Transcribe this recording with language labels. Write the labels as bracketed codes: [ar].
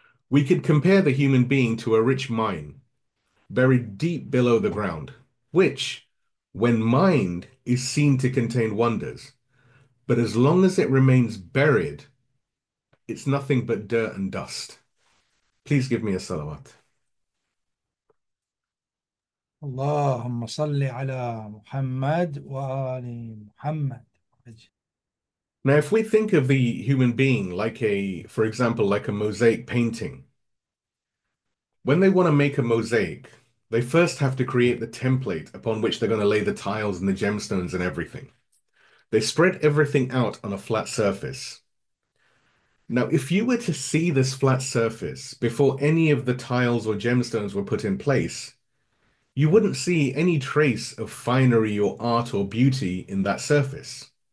[en] We could compare the human being to a rich mine buried deep below the ground, which, when mined, is seen to contain wonders. But as long as it remains buried, it's nothing but dirt and dust. Please give me a salawat. [ar] اللهم صل على محمد وآل محمد. [en] Now, if we think of the human being like a, for example, like a mosaic painting, when they want to make a mosaic, they first have to create the template upon which they're going to lay the tiles and the gemstones and everything. They spread everything out on a flat surface. Now, if you were to see this flat surface before any of the tiles or gemstones were put in place, you wouldn't see any trace of finery or art or beauty in that surface.